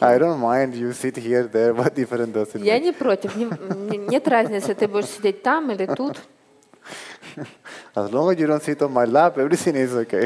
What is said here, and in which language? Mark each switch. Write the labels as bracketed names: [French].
[English] I don't mind you sit here, there, what difference does it make? [Russian] Я не против. Нет разницы, ты будешь сидеть там или тут. [English] As long as you don't sit on my lap, everything is okay.